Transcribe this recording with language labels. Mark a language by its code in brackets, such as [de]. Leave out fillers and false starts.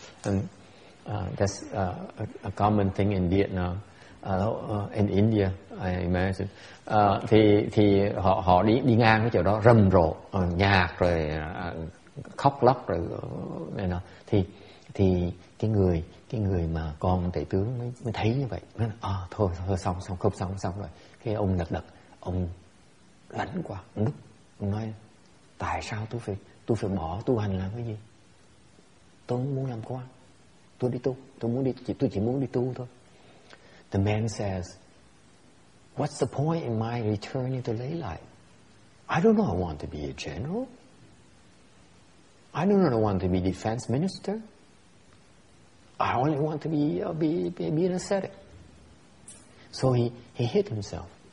[en] And that's a common thing in Vietnam, in India, I imagine. [vi] Thì họ đi ngang cái chỗ đó rầm rộ nhạc rồi khóc lóc rồi này nọ, thì cái người mà con tể tướng mới thấy như vậy, nói là thôi xong không xong rồi. Cái ông đật ông lãnh quá, ông nói tại sao tôi phải bỏ tu hành làm cái gì, tôi không muốn làm quan, tôi chỉ muốn đi tu thôi. [en] The man says, what's the point in my returning to lay life? I don't know I want to be a general. I don't want to be defense minister. I only want to be an ascetic. So he hit himself.